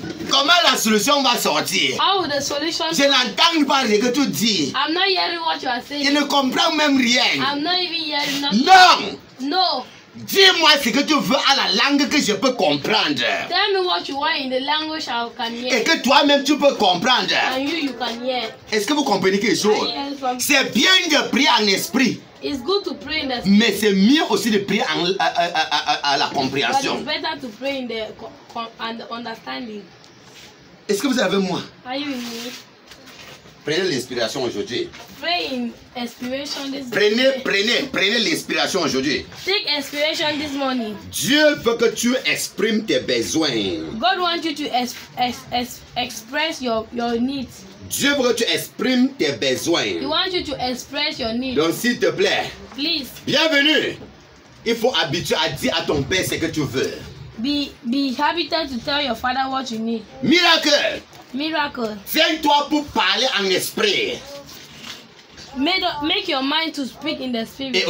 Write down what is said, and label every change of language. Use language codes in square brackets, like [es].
[fr] comment la solution va sortir? [en] How the solution? [fr] Je n'entends pas ce que tu dis. [en] I'm not hearing what you are saying. [fr] Je ne comprends même rien. [en] I'm not even hearing nothing. [fr] Non. [en] No. [fr] Dis-moi ce que tu veux à la langue que je peux comprendre. [en] Tell me what you want in the language I can hear. [fr] Et que toi-même tu peux comprendre. [en] And you can hear. [fr] Est-ce que vous comprenez quelque chose? C'est bien de prier en esprit. [en] It's good to pray in the spirit. [fr] Mais c'est mieux aussi de prier en à la compréhension. [en] But it's better to pray in the understanding. [fr] Est-ce que vous avez moi? [en] Are you with me? [fr] Prenez l'inspiration aujourd'hui. [en] Pray in inspiration this [fr] prenez, [en] day. [fr] Prenez l'inspiration aujourd'hui. [en] Take inspiration this morning. [fr] Dieu veut que tu exprimes tes besoins. [en] God wants you to express your needs. [fr] Dieu veut que tu exprimes tes besoins. [en] He wants you to express your needs. [fr] Donc s'il te plaît. [en] Please. [fr] Bienvenue. Il faut habituer à dire à ton père ce que tu veux. [en] Be habited to tell your father what you need. [fr] Miracle. [en] Miracle. [fr] Tiens-toi pour parler en esprit. [en] Make your mind to speak in the spirit.